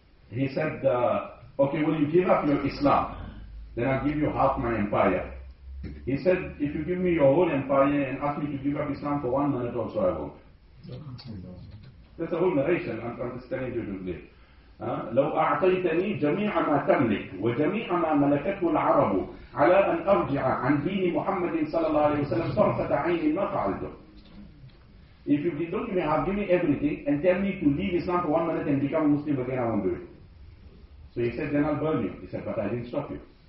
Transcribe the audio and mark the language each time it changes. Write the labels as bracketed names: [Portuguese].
[English] He said, okay, will you give up your Islam? Then I'll give you half my empire. He said, if you give me your whole empire and ask me to give up Islam for 1 minute also, I won't. That's a whole narration I'm just telling you today. [Arabic] لو أعطيتني جميع ما تملك وجميع ما ملكته العرب على أن أرجع عن دين محمد صلى الله عليه وسلم طرفة عين ما فعلته. [English] If you don't give me half, give me everything and tell me to leave Islam for 1 minute and become a Muslim again, I won't do it. So he said, then I'll burn you. He said, but I didn't stop you.